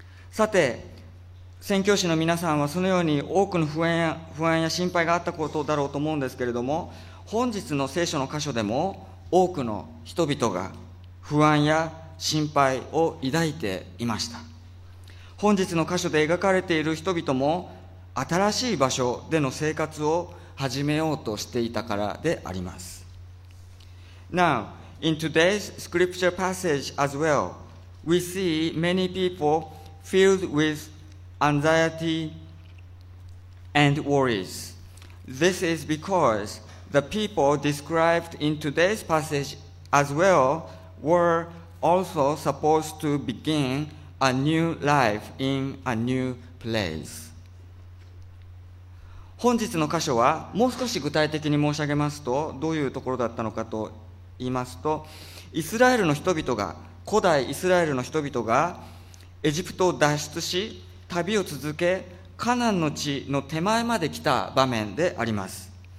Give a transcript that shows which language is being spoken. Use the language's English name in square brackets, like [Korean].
[Japanese] さて、宣教師の皆さんはそのように多くの不安や心配があったことだろうと思うんですけれども、本日の聖書の箇所でも多くの人々が不安や心配を抱いていました。本日の箇所で描かれている人々も新しい場所での生活を始めようとしていたからであります。 [English] Now, in today's scripture passage as well, we see many people filled withanxiety and worries. This is because the people described in today's passage as well were also supposed to begin a new life in a new place. [Japanese] 本日の箇所はもう少し具体的に申し上げますと、どういうところだったのかと言いますと、イスラエルの人々が、古代イスラエルの人々がエジプトを脱出し、旅を続け、カナンの地の手前まで来た場面であります。